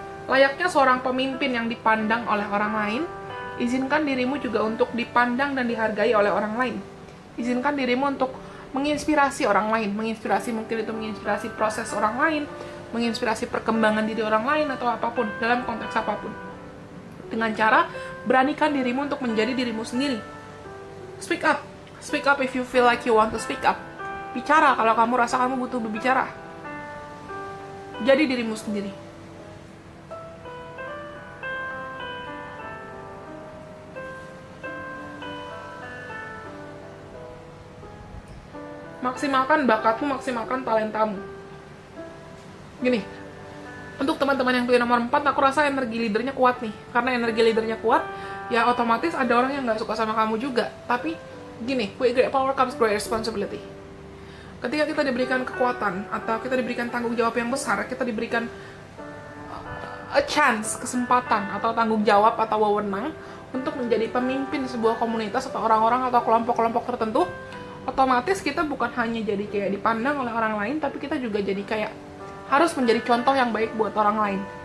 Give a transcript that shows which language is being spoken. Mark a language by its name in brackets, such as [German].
[Indonesian] Layaknya seorang pemimpin yang dipandang oleh orang lain, izinkan dirimu juga untuk dipandang dan dihargai oleh orang lain. Izinkan dirimu untuk menginspirasi orang lain, menginspirasi mungkin itu menginspirasi proses orang lain, menginspirasi perkembangan diri orang lain atau apapun, dalam konteks apapun. Dengan cara beranikan dirimu untuk menjadi dirimu sendiri. [English] Speak up if you feel like you want to speak up. [Indonesian] Bicara kalau kamu rasa kamu butuh berbicara. Jadi dirimu sendiri. Maksimalkan bakatmu, maksimalkan talentamu. Gini, untuk teman-teman yang pilih nomor 4, aku rasa energi leadernya kuat nih. Karena energi leadernya kuat, ya otomatis ada orang yang gak suka sama kamu juga. Tapi gini, [English] with great power comes great responsibility. [Indonesian] Ketika kita diberikan kekuatan, atau kita diberikan tanggung jawab yang besar, kita diberikan [English] a chance, [Indonesian] kesempatan atau tanggung jawab atau wewenang untuk menjadi pemimpin sebuah komunitas atau orang-orang atau kelompok-kelompok tertentu, otomatis kita bukan hanya jadi kayak dipandang oleh orang lain, tapi kita juga jadi kayak harus menjadi contoh yang baik buat orang lain.